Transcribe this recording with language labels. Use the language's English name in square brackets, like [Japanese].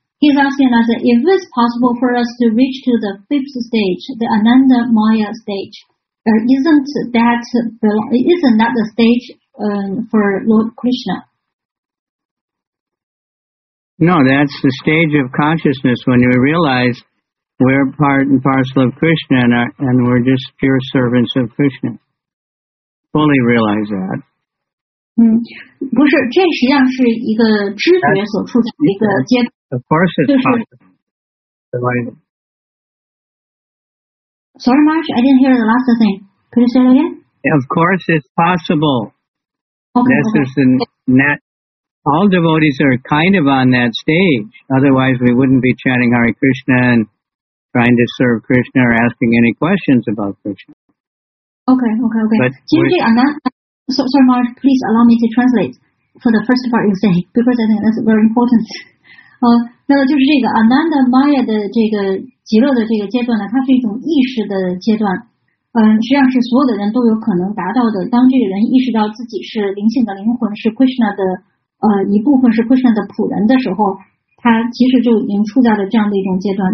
[English] He's asking us, if it's possible for us to reach to the fifth stage, the Ananda Maya stage, isn't that the stage for Lord Krishna? No, that's the stage of consciousness when you realize we're part and parcel of Krishna and we're just pure servants of Krishna. Fully realize that. [Chinese] 不是，这实际上是一个知觉所处的一个阶段。 [English] Of course it's possible. Sorry, Marsh, I didn't hear the last thing. Could you say it again? Of course it's possible. All devotees are kind of on that stage. Otherwise we wouldn't be chanting Hare Krishna and trying to serve Krishna or asking any questions about Krishna. Okay. But sorry, Marsh, please allow me to translate for the first part you say, because I think that's very important. [Chinese] 那么就是这个 Ananda Maya 的这个极乐的这个阶段呢，它是一种意识的阶段，实际上是所有的人都有可能达到的。当这个人意识到自己是灵性的灵魂，是 Krishna 的一部分，是 Krishna 的仆人的时候，他其实就已经处在了这样的一种阶段。